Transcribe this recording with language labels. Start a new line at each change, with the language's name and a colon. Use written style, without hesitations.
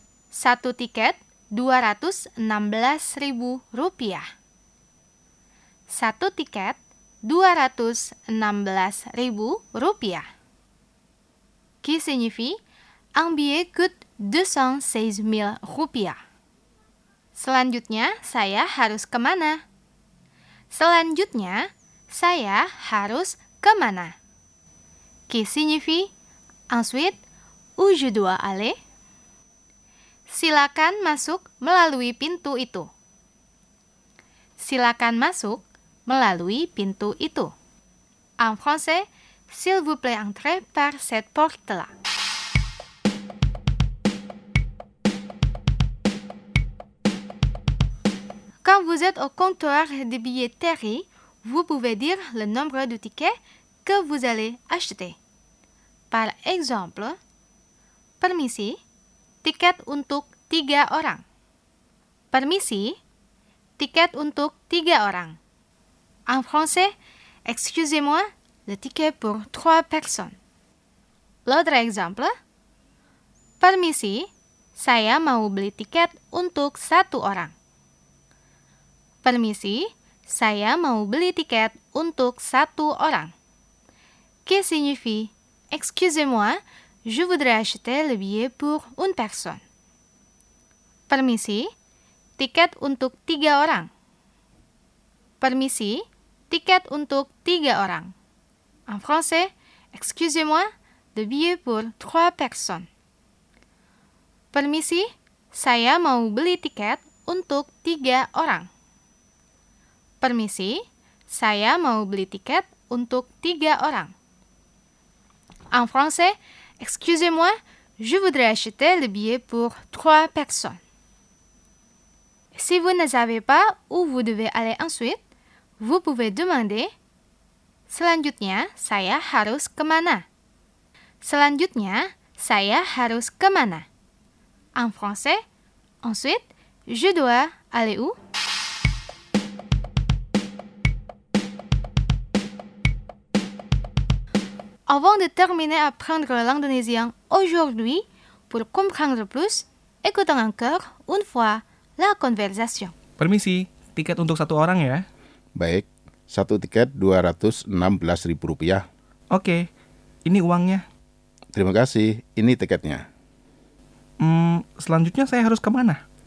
Indonesian: Satu tiket, Rp216.000. Satu tiket, Rp216.000.
French: Qui signifie, un billet coûte Rp216.000.
Indonesian: Selanjutnya, saya harus kemana? Selanjutnya, saya harus kemana?
French: Qui signifie, ensuite, où je dois aller?
Indonesian: Silakan masuk melalui pintu itu. Silakan masuk melalui pintu itu.
French: En français, s'il vous plaît entrez par cette porte-là. Quand vous êtes au comptoir de billetterie, vous pouvez dire le nombre de tickets que vous allez acheter. Par exemple,
Indonesian: permisi, tiket untuk 3 orang. Permisi, tiket untuk 3 orang.
French: En français, excusez-moi, le ticket pour 3 personnes. L'autre exemple.
Indonesian: Permisi, saya mau beli tiket untuk 1 orang. Permisi, saya mau beli tiket untuk 1 orang.
French: Qui signifie, excusez-moi, je voudrais acheter le billet pour une personne.
Indonesian: Permisi, tiket untuk 3 orang. Permisi, tiket untuk 3 orang.
French: En français, excusez-moi, le billet pour 3 personnes.
Indonesian: Permisi, saya mau beli tiket untuk 3 orang. Permisi, saya mau beli tiket untuk 3 orang.
French: En français, excusez-moi, je voudrais acheter le billet pour 3 personnes. Si vous ne savez pas où vous devez aller ensuite, vous pouvez demander,
Indonesian: selanjutnya saya harus kemana? Selanjutnya saya harus kemana?
French: En français, ensuite, je dois aller où? Avant de terminer à apprendre l'indonésien aujourd'hui, pour comprendre plus, écoutons encore une fois la conversation.
Indonesian: Permisi, tiket untuk satu orang ya. Baik, satu tiket Rp216.000. Oke, ini uangnya. Terima kasih, ini tiketnya. Selanjutnya saya harus kemana?